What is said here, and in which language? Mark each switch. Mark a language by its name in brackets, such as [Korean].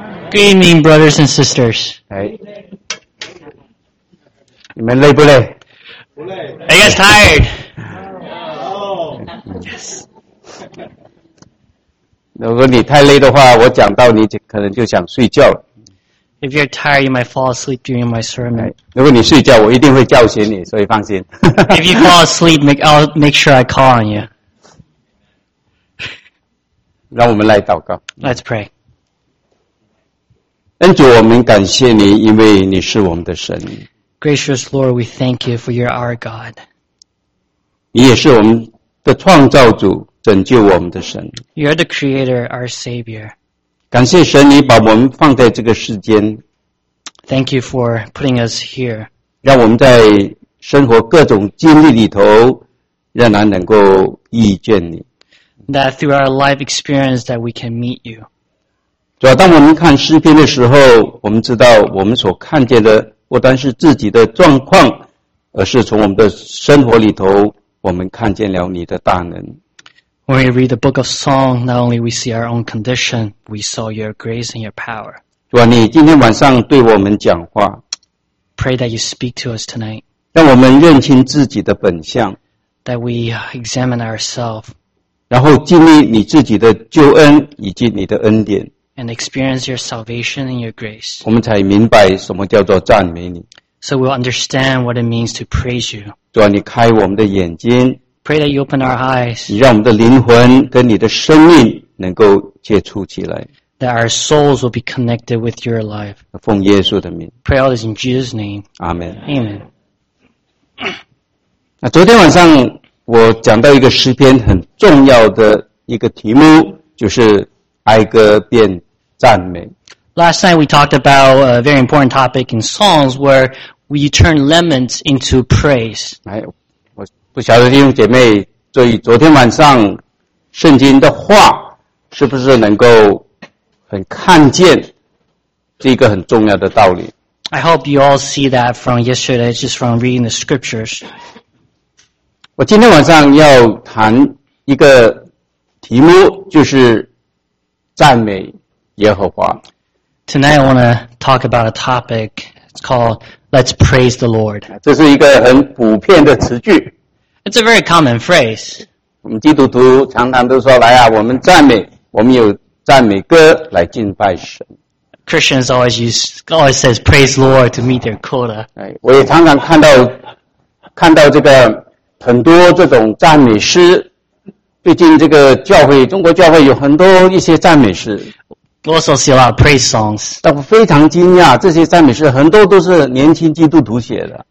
[English] Good evening, brothers and sisters. [Chinese] 你们累不累？不累。 [English] I guess tired. Yes. [Chinese] 如果你太累的话，我讲到你可能就想睡觉了。 [English] If you're tired, you might fall asleep during my sermon. [Chinese] 如果你睡觉，我一定会叫醒你，所以放心。 [English] If you fall asleep, I'll make sure I call on you. [Chinese] 让我们来祷告。 [English] Let's pray. [Chinese] 恩主，我们感谢你，因为你是我们的神。 [English] Gracious Lord, we thank you for you're our God. [Chinese] 你也是我们的创造主，拯救我们的神。 [English] You're the Creator, our Savior. [Chinese] 感谢神，你把我们放在这个世间。 [English] Thank you for putting us here. [Chinese] 让我们在生活各种经历里头，仍然能够遇见你。 [English] That through our life experience that we can meet you. [Chinese] 主要当我们看诗篇的时候，我们知道我们所看见的不单是自己的状况，而是从我们的生活里头，我们看见了你的大能。 [English] When we read the book of Song, not only we see our own condition, we saw your grace and your power. [Chinese] 主啊，你今天晚上对我们讲话。 [English] Pray that you speak to us tonight. [Chinese] 让我们认清自己的本相。 [English] That we examine ourselves. [Chinese] 然后经历你自己的救恩以及你的恩典。 [English] And experience your salvation and your grace. [Chinese] 我们才明白什么叫做赞美你。 [English] So we'll understand what it means to praise you. [Chinese] 主啊，你开我们的眼睛。 [English] Pray that you open our eyes. [Chinese] 你让我们的灵魂跟你的生命能够接触起来。 [English] That our souls will be connected with your life. [Chinese] 奉耶稣的名。 [English] Pray all this in Jesus' name. Amen. Amen. [Chinese] 那昨天晚上我讲到一个诗篇很重要的一个题目，就是哀歌变赞美。 [English] Last night we talked about a very important topic in Psalms where we turn laments into praise. [Chinese] 来不晓得弟兄姐妹对昨天晚上圣经的话是不是能够很看见这个很重要的道理。 [English] I hope you all see that from yesterday, just from reading the scriptures. [Chinese] 我今天晚上要谈一个题目，就是赞美耶和华。 [English] Tonight I want to talk about a topic. It's called Let's Praise the Lord. [Chinese] 这是一个很普遍的词句。 [English] It's a very common phrase. [Chinese] 我们基督徒常常都说，来啊，我们赞美，我们有赞美歌来敬拜神。 [English] Christians always says praise Lord to meet their quota. [Chinese] 我也常常看到这个很多这种赞美诗。最近这个教会，中国教会有很多一些赞美诗。 [English] We also see a lot of praise songs. [Chinese] 但我非常惊讶，这些赞美诗很多都是年轻基督徒写的。